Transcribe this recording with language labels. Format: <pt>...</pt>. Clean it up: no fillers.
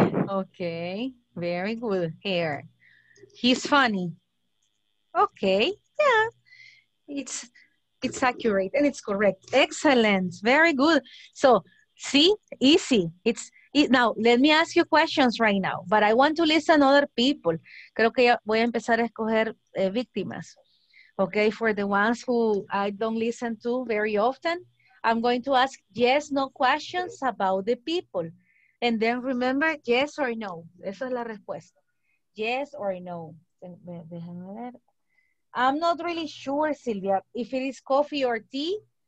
<en>Okay, very good hair. He's funny. Okay, yeah, it's accurate and it's correct. Excellent, very good. So, see, easy. Now, let me ask you questions right now, but I want to listen to other people.</en> <es>Creo que voy a empezar a escoger víctimas.</es> <en>Okay, for the ones who I don't listen to very often, I'm going to ask yes, no questions about the people. And then remember, yes or no.</en> <es>Esa es la respuesta.</es> <en>Yes or no.</en> <es>Déjame ver.</es> <en>I'm not really sure, Silvia, if it is coffee or tea.</en>